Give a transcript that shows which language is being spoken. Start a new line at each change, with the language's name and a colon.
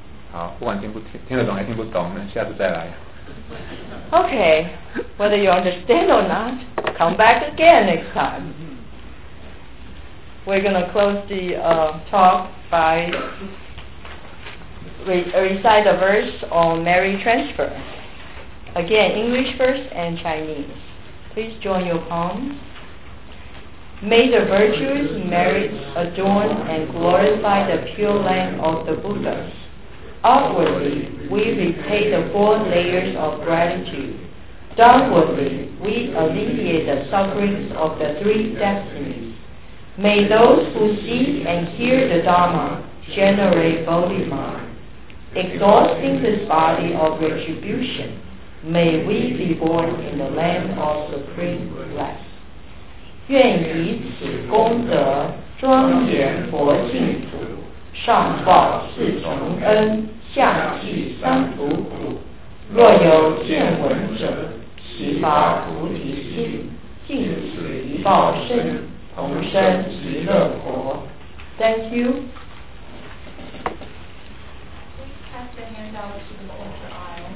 Chinese: 好，不管听得懂还听不懂，那下次再来。
English: Okay, whether you understand or not, come back again next time. We're going to close the talk by recite a verse on Mary Transfer. Again, English verse and Chinese. Please join your palms. May the virtues, merits, adorn and glorify the pure land of the Buddha. Outwardly, we repay the four layers of gratitude. Downwardly, we alleviate the sufferings of the three destinies. May those who see and hear the Dharma generate Bodhi mind. Exhausting this body of retribution, may we be born in the land of supreme bliss.
Chinese: 愿以此功德庄严佛净土，上报四重恩，下济三途苦。若有见闻者，悉发菩提心，尽此一报身。
English: Thank you. Please pass your hand out to the altar.